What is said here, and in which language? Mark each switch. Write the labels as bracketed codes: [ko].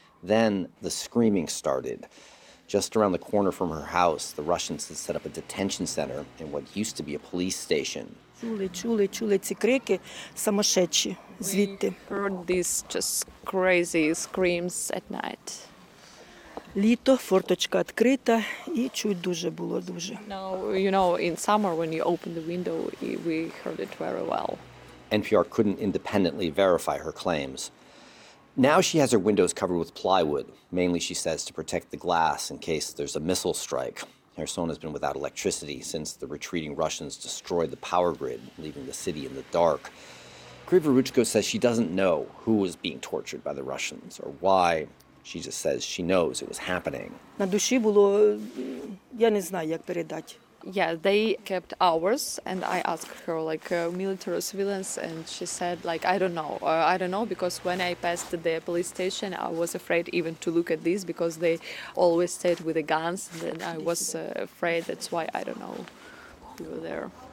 [en] Then the screaming started. Just around the corner from her house, the Russians had set up a detention center in what used to be a police station. We heard these just crazy screams at night. [uk] Літо, форточка відкрита, і чуть дуже було дуже. [en] Now, you know, in summer when you open the window, we heard it very well. NPR couldn't independently verify her claims. Now she has her windows covered with plywood, mainly, she says, to protect the glass in case there's a missile strike. Kherson has been without electricity since the retreating Russians destroyed the power grid, leaving the city in the dark. Krivoruchko says she doesn't know who was being tortured by the Russians or why. She just says she knows it was happening. [uk] На душі було, я не знаю, як передати. [en] Yeah, they kept hours, and I asked her, like, military civilians, and she said, like, I don't know, because when I passed the police station, I was afraid even to look at this, because they always stayed with the guns, and I was afraid, that's why I don't know who were there.